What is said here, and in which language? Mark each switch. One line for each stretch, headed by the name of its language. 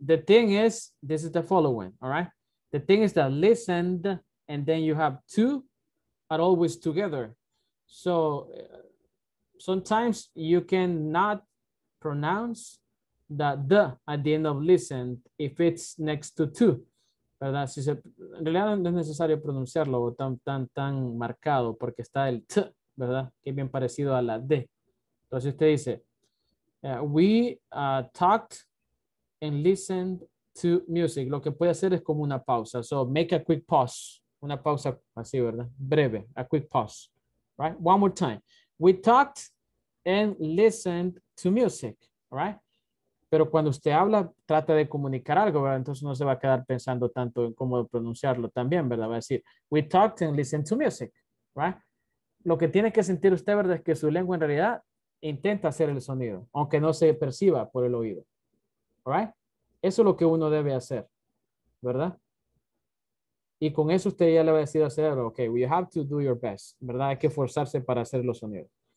English: The thing is, this is the following, all right? The thing is that listened and then you have two are always together. So sometimes you cannot pronounce the at the end of listened if it's next to two.
Spanish: ¿Verdad? Si se, en realidad no es necesario pronunciarlo tan marcado porque está el t, ¿verdad? Que es bien parecido a la d. Entonces usted dice,
English: we talked and listened to music,
Spanish: lo que puede hacer es como una pausa.
English: So make a quick pause.
Spanish: Una pausa así, ¿verdad? Breve,
English: a quick pause. Right? One more time. We talked and listened to music. Right?
Spanish: Pero cuando usted habla, trata de comunicar algo, ¿verdad? Entonces no se va a quedar pensando tanto en cómo pronunciarlo también, ¿verdad? Va a decir,
English: we talked and listened to music.
Spanish: Right? Lo que tiene que sentir usted, ¿verdad? Es que su lengua en realidad intenta hacer el sonido, aunque no se perciba por el oído. Right? Eso es lo que uno debe hacer, ¿verdad? Y con eso usted ya le va a decir al cerebro,
English: ok, you have to do your best,
Spanish: ¿verdad? Hay que forzarse para hacer los sonidos.